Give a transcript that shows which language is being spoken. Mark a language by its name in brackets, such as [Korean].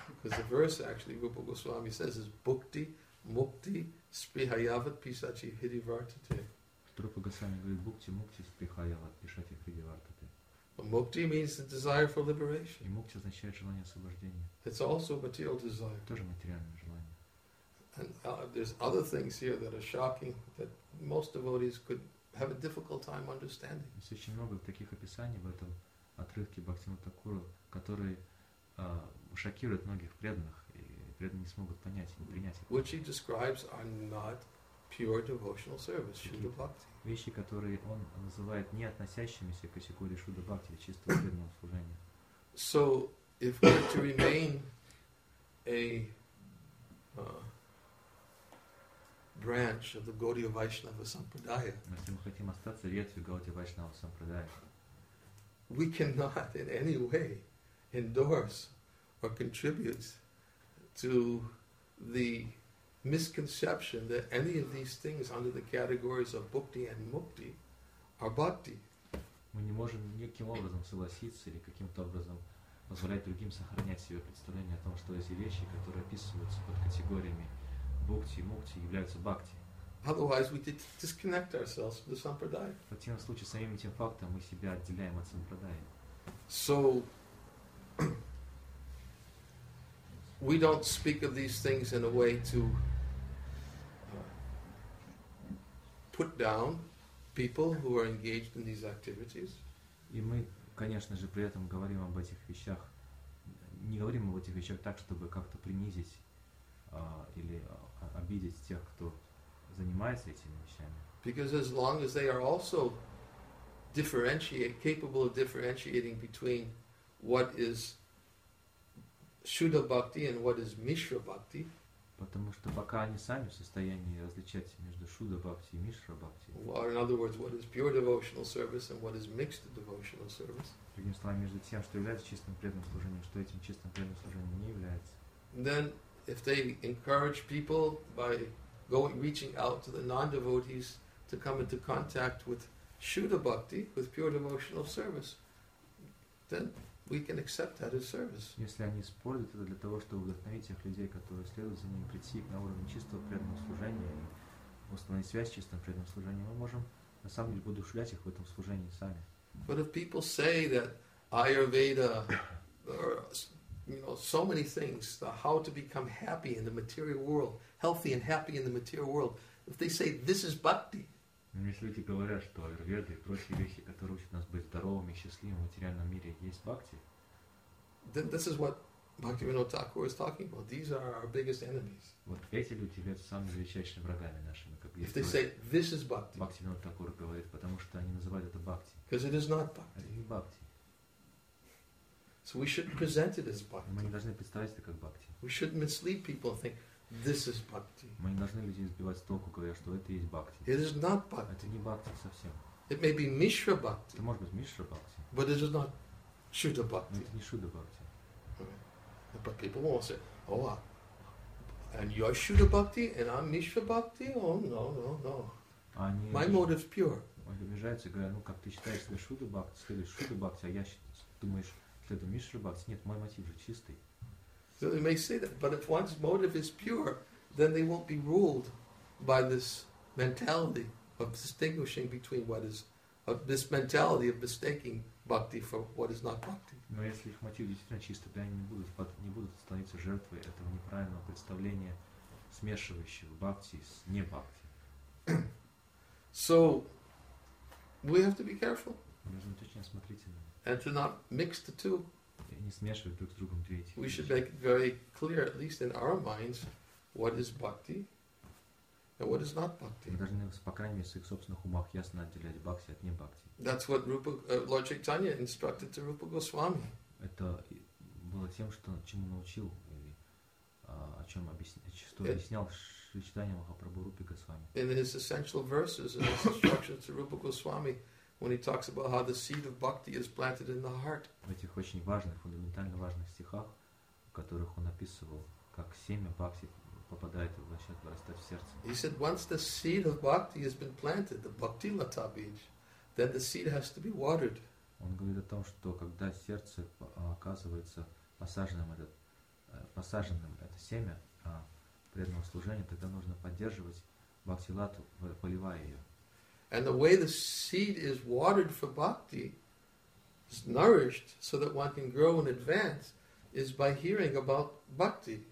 [English] Because the verse actually Rupa Goswami says is bhakti, mukti, sprihayavat, pisachi, hridivartate. [Russian] Rupa Goswami говорит бхакти, мукти, сприхаяват, пишати, хридивартате. [English] But mukti means the desire for liberation. [Russian] И мукти означает желание освобождения. [English] It's also a material desire. [Russian] Тоже материальное желание. [English] And there's other things here that are shocking that most devotees could have a difficult time understanding. [Russian] Есть очень много таких описаний в этом отрывке Бхактивинода Такура, которые шокируют многих преданных, и преданные не смогут понять, не принять их. [English] Which he describes are not pure devotional service, Shuddha Bhakti. [Russian] Вещи, которые он называет не относящимися к категории Шуддха Бхакти, чистого преданного служения. [English] So, if we're to remain a branch of the Gaudiya Vaishnava Sampradaya, [Russian] если мы хотим остаться ветвью Гаудия Вайшнава Сампрадая, [English] we cannot in any way endorse or contribute to the misconception that any of these things under the categories of bhakti and mukti are bhakti. [Russian] Мы не можем никаким образом согласиться или каким-то образом позволять другим сохранять себе представление о том, что эти вещи, которые описываются под категориями бхакти и мукти, являются бхакти. [English] Otherwise, we disconnect ourselves from the sampradaya. [Russian] В этом случае самим этим фактом мы себя отделяем от сампрадаи. [English] So we don't speak of these things in a way to put down people who are engaged in these activities. [Russian] И мы, конечно же, при этом говорим об этих вещах, не говорим об этих вещах так, чтобы как-то принизить или обидеть тех, кто занимается этими вещами. [English] Because as long as they are also capable of differentiating between what is Shuddha Bhakti and what is Mishra Bhakti. [Russian] Потому что пока они сами в состоянии различать между Shuddha Bhakti и Mishra Bhakti. [English] Or in other words, what is pure devotional service and what is mixed devotional service. [Russian] Другими словами, между тем, что является чистым преданным служением, что этим чистым преданным служением не является. [English] Then, if they encourage people by going, reaching out to the non-devotees to come into contact with Shuddha Bhakti, with pure devotional service, then we can accept that as service. [Russian] Если они используют это для того, чтобы вдохновить тех людей, которые следуют за ним, прийти на уровень чистого преданного служения и установить связь с чистым преданным служением, мы можем на самом деле воодушевлять их в этом служении сами. [English] But if people say that Ayurveda or, you know, so many things, the how to become happy in the material world, healthy and happy in the material world, if they say this is bhakti. [Russian] Если люди говорят, что Аюрведа и прочие вещи, которые учат нас быть здоровыми и счастливыми в материальном мире, есть бхакти. [English] Then this is what Bhaktivinoda Thakur is talking about. These are our biggest enemies. [Russian] Вот эти люди являются самыми величайшими врагами нашими. Как [English] if they say this is bhakti. [Russian] Bhaktivinoda Thakur говорит, потому что они называют это бхакти. [English] Because it is not bhakti. [Russian] Это не бхакти. [English] So we shouldn't present it as bhakti. [Russian] Мы не должны представить это как бхакти. [English] We shouldn't mislead people and think this is bhakti. [Russian] Мы не должны людей сбивать с толку, говоря, что это есть бхакти. [English] It is not bhakti. [Russian] Это не бхакти совсем. [English] It may be Mishra Bhakti. [Russian] Это может быть Mishra Bhakti. [English] But it is not Shuddha Bhakti. [Russian] Это не Shuddha Bhakti. [English] Right. But people will say, oh, and you're Shuddha Bhakti and I'm Mishra Bhakti? Oh, no, no, no. [Russian] Они [English] My motive's pure. [Russian] Они обижаются и говорят, ну как ты считаешь себя Shuddha Bhakti, следуешь Shuddha Bhakti, а я думаешь, следую Mishra Bhakti. Нет, мой мотив же чистый. [English] So they may say that, but if one's motive is pure, then they won't be ruled by this mentality of distinguishing between what is of this mentality of mistaking bhakti for what is not bhakti. [Russian] Но если их мотив действительно чистый, то они не будут становиться жертвой этого неправильного представления, смешивающего бхакти с не бхакти. [English] So we have to be careful. [Russian] Нужно очень осмотрительно. [English] And to not mix the two. [Russian] Не смешивать друг с другом две эти. [English] We should make it very clear, at least in our minds, what is bhakti and what is not bhakti. [Russian] Мы должны, по крайней мере, в своих собственных умах ясно отделять бхакти от не бхакти. [English] That's what Lord Chaitanya instructed to Rupa Goswami. [Russian] Это было тем, что чему научил или о чем объяснял Шри Чайтанья Махапрабху Рупе Госвами. [English] In his essential verses, in his instructions to Rupa Goswami. When he talks about how the seed of bhakti is planted in the heart. [Russian] В этих очень важных, фундаментально важных стихах, в которых он описывал, как семя бхакти попадает и начинает вырастать в сердце. [English] He said, once the seed of bhakti has been planted, the bhakti lata bij, then the seed has to be watered. [Russian] Он говорит о том, что когда сердце оказывается посаженным это семя преданного служения, тогда нужно поддерживать бхакти лату, поливая ее. [English] And the way the seed is watered for bhakti, is nourished so that one can grow and advance, is by hearing about bhakti.